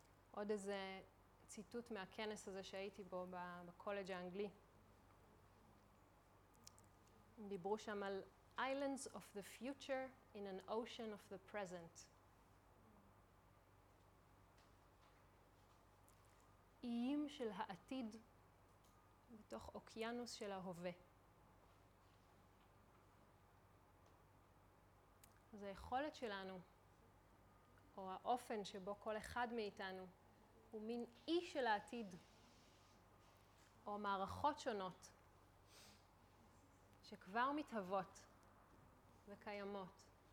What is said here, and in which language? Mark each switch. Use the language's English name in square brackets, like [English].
[Hebrew] עוד איזה ציטוט מהכנס הזה שהייתי בו בקולג' האנגלי. דיברו שם על [English] Islands of the future in an ocean of the present. [Hebrew] איים של העתיד בתוך אוקיינוס של ההווה. אז היכולת שלנו, או האופן שבו כל אחד מאיתנו, הוא מין אי של העתיד, או מערכות שונות, שכבר מתהוות וקיימות,